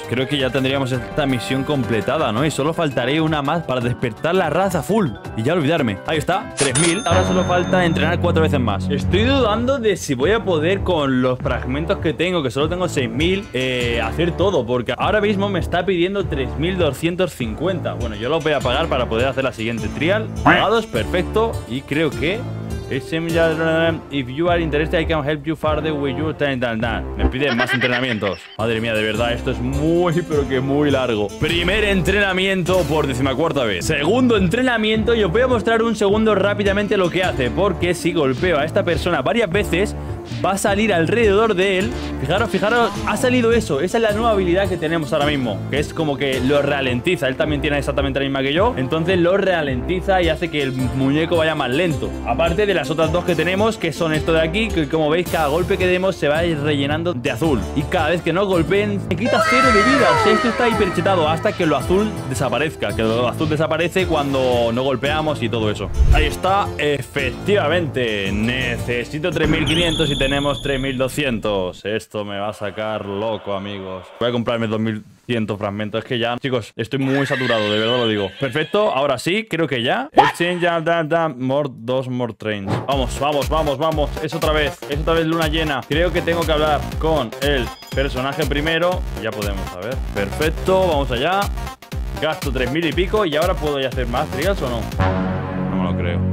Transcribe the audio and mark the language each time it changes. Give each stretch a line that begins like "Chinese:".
Spanish: Creo que ya tendríamos esta misión completada, ¿no? Y solo faltaría una más para despertar la raza full y ya olvidarme. Ahí está, 3000. Ahora solo falta entrenar 4 veces más. Estoy dudando de si voy a poder con los fragmentos que tengo, que solo tengo 6000, hacer todo, porque ahora mismo me está pidiendo 3250. Bueno, yo los voy a pagar para poder hacer la siguiente trial. Pagados, perfecto. Y creo que
English: if you are interested, I can help you further with your training.
Spanish: Me piden más entrenamientos. Madre mía, de verdad, esto es muy, pero que muy largo. Primer entrenamiento por 14ª vez. Segundo entrenamiento, y os voy a mostrar un segundo rápidamente lo que hace. Porque si golpeo a esta persona varias veces, va a salir alrededor de él. Fijaros, fijaros, ha salido eso. Esa es la nueva habilidad que tenemos ahora mismo, que es como que lo ralentiza. Él también tiene exactamente la misma que yo, entonces lo ralentiza y hace que el muñeco vaya más lento. Aparte de las otras dos que tenemos, que son esto de aquí, que como veis, cada golpe que demos se va a ir rellenando de azul, y cada vez que nos golpeen se quita cero de vida. O sea, esto está hiperchetado hasta que lo azul desaparezca, que lo azul desaparece cuando no golpeamos y todo eso. Ahí está, efectivamente. Necesito 3.500 y tenemos 3.200. Esto me va a sacar loco, amigos. Voy a comprarme 2.100 fragmentos. Es que ya, chicos, estoy muy saturado, de verdad lo digo. Perfecto, ahora sí, creo que ya.
English: Exchange, more,
Spanish: dos
English: more trains.
Spanish: Vamos, vamos, vamos, vamos. Es otra vez luna llena. Creo que tengo que hablar con el personaje primero. Ya podemos, a ver. Perfecto, vamos allá. Gasto 3.000 y pico y ahora puedo ya hacer más trials o no. No me lo creo.